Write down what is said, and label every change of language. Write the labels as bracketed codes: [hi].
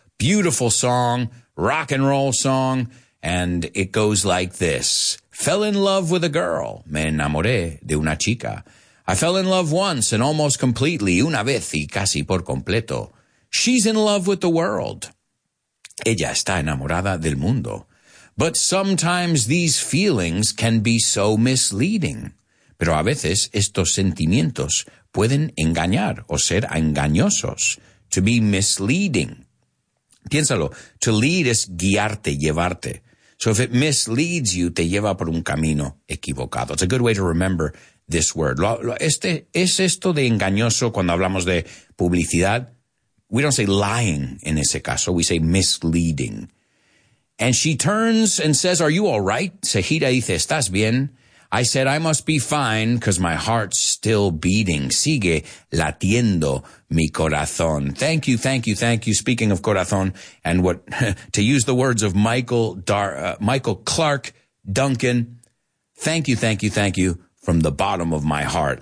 [en] Beautiful song, rock and roll song. And it goes like this. Fell in love with a girl. [es] Me enamoré de una chica. [en] I fell in love once and almost completely, [es] una vez y casi por completo. [en] She's in love with the world. [es] Ella está enamorada del mundo. [en] But sometimes these feelings can be so misleading. [es] Pero a veces estos sentimientos pueden engañar o ser engañosos. [en] To be misleading. [es] Piénsalo. [en] To lead [es] es guiarte, llevarte. [en] So if it misleads you, [es] te lleva por un camino equivocado. [en] It's a good way to remember this word. [es] ¿Es esto de engañoso cuando hablamos de publicidad? [en] We don't say lying in [es] ese caso. [en] We say misleading. And she turns and says, are you all right? [es] Se gira y dice, ¿estás bien? [en] I said, I must be fine because my heart's still beating. [es] Sigue latiendo mi corazón. [en] Thank you, thank you, thank you. Speaking of corazón, and what to use the words of Michael Clark Duncan, thank you, thank you, thank you from the bottom of my heart.